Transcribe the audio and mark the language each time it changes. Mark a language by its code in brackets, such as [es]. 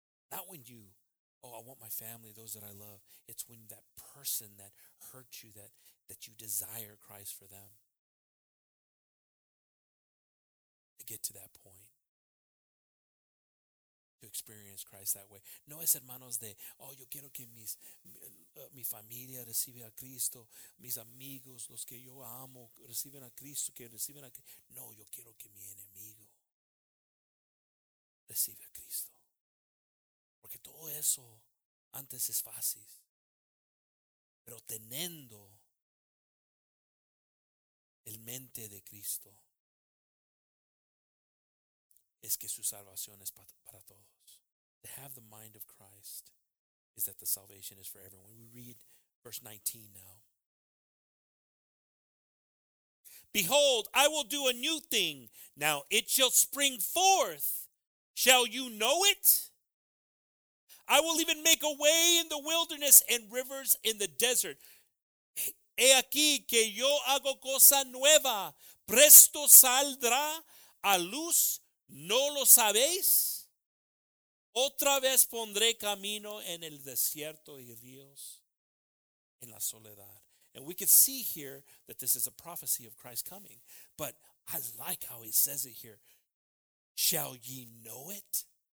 [en] Not when you, I want my family, those that I love. It's when that person that hurt you, that you desire Christ for them, to get to that point, to experience Christ that way. [es] No es, hermanos, de, yo quiero que mi familia reciba a Cristo, mis amigos, los que yo amo, reciben a Cristo, que reciben a Cristo. No, yo quiero que mi enemigo recibe a Cristo. Porque todo eso antes es fácil. Pero teniendo el mente de Cristo, es que su salvación es para todos. [en] To have the mind of Christ is that the salvation is for everyone. We read verse 19 now. Behold, I will do a new thing. Now it shall spring forth. Shall you know it? I will even make a way in the wilderness and rivers in the desert. [es] He aquí que yo hago cosa nueva. Presto saldrá a luz. ¿No lo sabéis? Otra vez pondré camino en el desierto y ríos en la soledad. [en] And we can see here that this is a prophecy of Christ coming. But I like how he says it here. Shall ye know it?